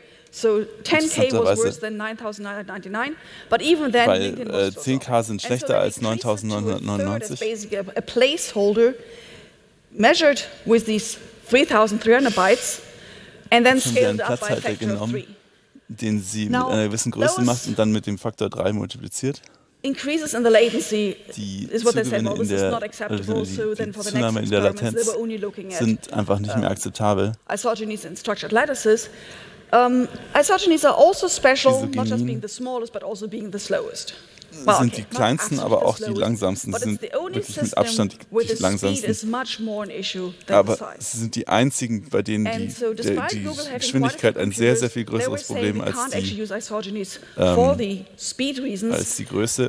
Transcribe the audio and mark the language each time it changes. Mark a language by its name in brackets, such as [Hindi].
[English] So 10k was worse than 9999, but even then, [German] weil 10k sind schlechter als 9999. [English] A placeholder measured with these 3300 bytes and then scaled up by a factor of 3. [German] Den sie mit einer gewissen Größe macht und dann mit dem Faktor 3 multipliziert. [English] Increases in the latency is what they said, well, this is not acceptable, so then for the next experiments they were only looking at [German] sind einfach nicht mehr akzeptabel. [English] Isogenies and structured lattices. Isogenies are also special, not just being the smallest, but also being the slowest. [German] Sind [English] well, okay. [German] Die kleinsten, aber auch die langsamsten. Sie sind wirklich mit Abstand die langsamsten. Aber sie sind die einzigen, bei denen die Geschwindigkeit ein sehr, sehr viel größeres Problem als die Größe.